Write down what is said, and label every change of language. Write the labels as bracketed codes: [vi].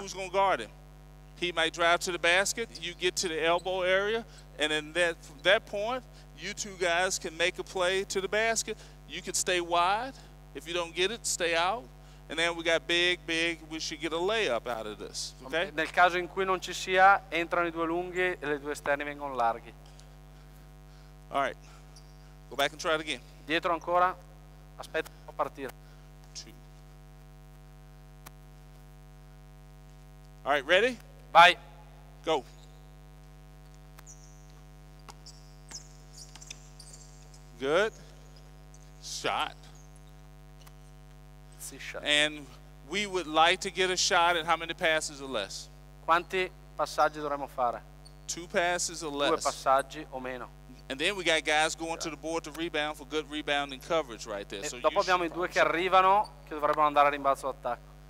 [en] Who's going to guard him? He might drive to the basket. You get to the elbow area. And then that point, you two guys can make a play to the basket. You can stay wide. If you don't get it, stay out. And then we got big, we should get a layup out of this. Okay? [it] Nel caso in cui non ci sia, entrano i due lunghi e le due esterni vengono larghi. [en] All right. Go back and try it again. [it] Dietro ancora. Aspetta, può partire. [en] Two. All right, ready? [it] Vai. [en] Go. Good. Shot. [it] Sì, shot. [en] And we would like to get a shot at how many passes or less? [it] Quanti passaggi dovremmo fare? [en] Two passes or less. [it] Due passaggi o meno. [en] And then we got guys going to the board to rebound for good rebounding coverage right there. [it] E [en] so [it] dopo abbiamo i due che arrivano che dovrebbero andare a rimbalzo d'attacco.